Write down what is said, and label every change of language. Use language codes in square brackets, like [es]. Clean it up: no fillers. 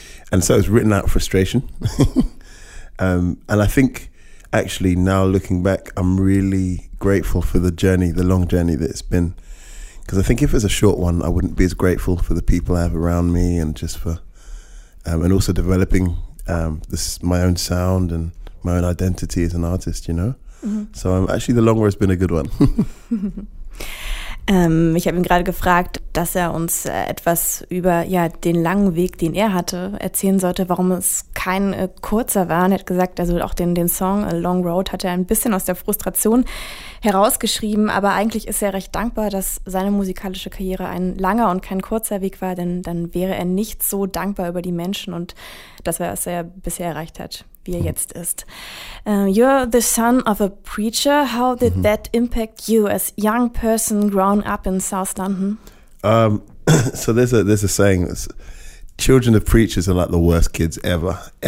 [en] And so it's written out of frustration. and I think actually now looking back, I'm really grateful for the journey, the long journey that it's been. Because I think if it was a short one, I wouldn't be as grateful for the people I have around me and just for, and also developing this my own sound and my own identity as an artist, you know? Mm-hmm. So actually the long road has been a good one. [de] Ich habe ihn gerade gefragt, dass er uns etwas über den langen Weg, den er hatte, erzählen sollte, warum es kein kurzer war. Und er hat gesagt, also auch den Song A Long Road hat er ein bisschen aus der Frustration herausgeschrieben. Aber eigentlich ist er recht dankbar, dass seine musikalische Karriere ein langer und kein kurzer Weg war. Denn dann wäre er nicht so dankbar über die Menschen und das, was er bisher erreicht hat, wie er jetzt ist. [en] You're the son of a preacher. How did that impact you as a young person grown up in South London? So there's a saying that children of preachers are like the worst kids ever.